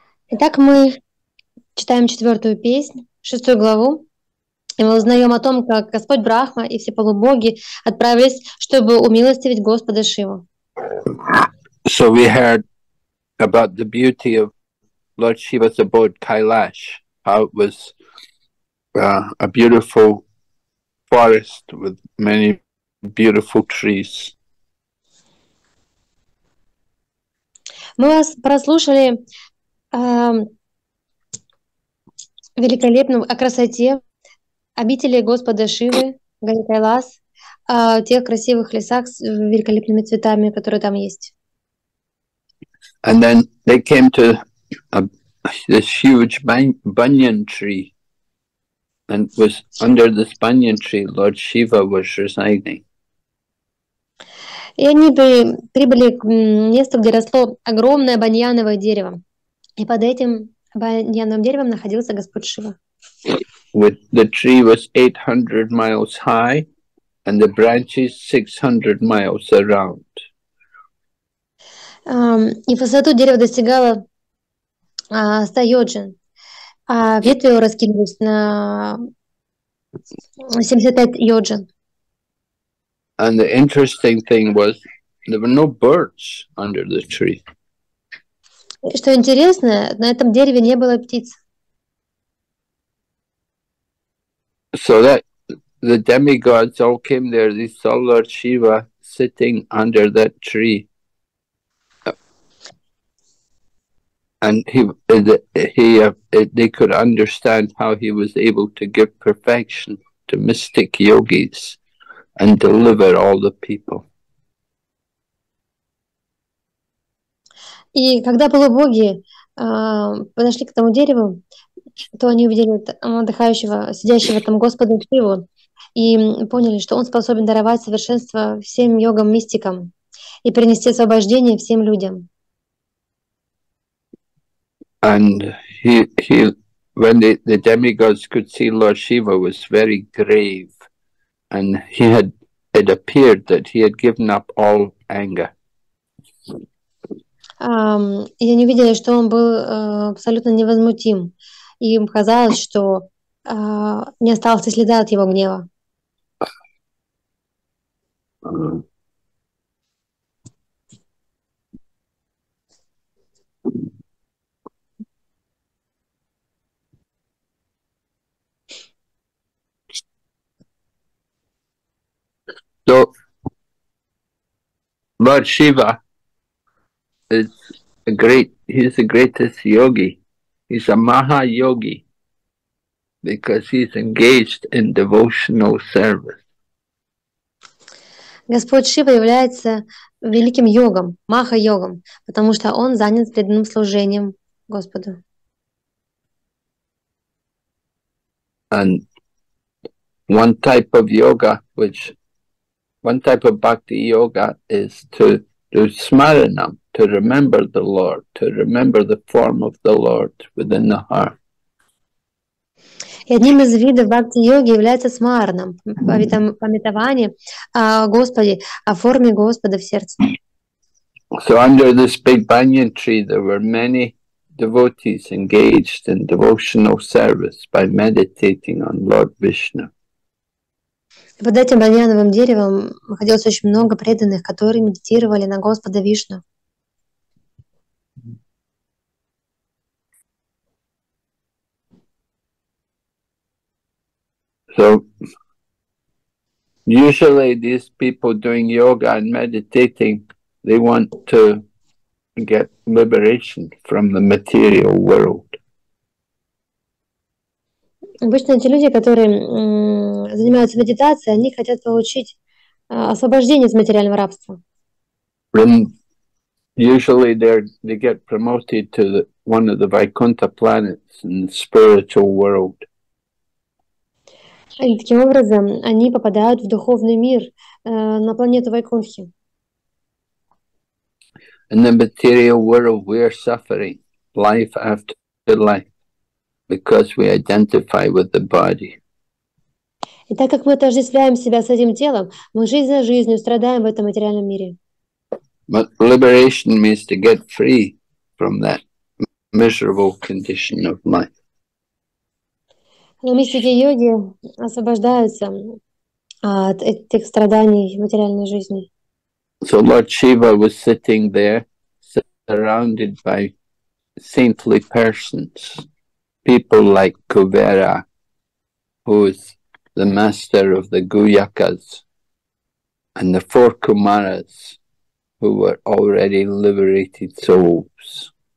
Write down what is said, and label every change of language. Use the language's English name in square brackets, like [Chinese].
[Russian] Итак, мы читаем четвертую песню. шестую главу, и мы узнаем о том, как Господь Брахма и все полубоги отправились, чтобы умилостивить Господа Шиву. [English] So we heard about the beauty of Lord Shiva's abode Kailash, how it was a beautiful forest with many beautiful trees. [Russian] Мы вас прослушали великолепную о красоте обители Господа Шивы, Гори Кайлас, о тех красивых лесах с великолепными цветами, которые там есть. [English] And then they came to this huge banyan tree, and was under this banyan tree Lord Shiva was residing. [Russian] И они прибыли к месту, где росло огромное баньяновое дерево. И под этим баньяновым деревом находился Господь Шива. [English] The tree was 800 miles high, and the branches 600 miles around. [Russian] И высоту дерева достигало 100 йоджин, а ветви его раскинулись на 75 йоджин. [English] And the interesting thing was, there were no birds under the tree. [Russian] Что интересно, на этом дереве не было птиц. [English] So that the demigods all came there, they saw Lord Shiva sitting under that tree. And they could understand how he was able to give perfection to mystic yogis and deliver all the people. [Russian] И когда полубоги подошли к тому дереву, то они увидели отдыхающего, сидящего там Господа Шиву, и поняли, что он способен даровать совершенство всем йогам-мистикам и принести освобождение всем людям. [English] And when the demigods could see Lord Shiva was very grave, and it appeared that he had given up all anger. [Russian] И они видели, что он был абсолютно невозмутим, и им казалось, что не осталось следа от его гнева. [English] So, Lord Shiva is he's the greatest yogi. He's a Maha Yogi because he's engaged in devotional service. [Russian] Господь Шива является великим йогом, Маха йогом, потому что он занят преданным служением Господу. [English] And one type of yoga which One type of bhakti yoga is to do smaranam, to remember the Lord, to remember the form of the Lord within the heart. [Russian] И одним из видов бхакти йоги является смаранам, памятование о Господе, о форме Господа в сердце. [English] So under this big banyan tree, there were many devotees engaged in devotional service by meditating on Lord Vishnu. [Russian] Под этим баньяновым деревом находилось очень много преданных, которые медитировали на Господа Вишну. [English] So, usually these people doing yoga and meditating, they want to get liberation from the material world. [Russian] Обычно эти люди, которые занимаются медитацией, они хотят получить освобождение из материального рабства. [English] Usually they get promoted to one of the Vaikuntha planets in the spiritual world. [Russian] И таким образом они попадают в духовный мир на планету Вайкунтхи. [English] In the material world we are suffering life after life. Because we identify with the body. [Russian] И так как мы отождествляем себя с этим телом, мы жизнь за жизнью страдаем в этом материальном мире. [English] But liberation means to get free from that miserable condition of life. [Russian] Мистики йоги освобождаются от этих страданий материальной жизни. [English] So Lord Shiva was sitting there, surrounded by saintly persons, people like Kuvera, who is the master of the Guyakas, and the four Kumaras, who were already liberated souls.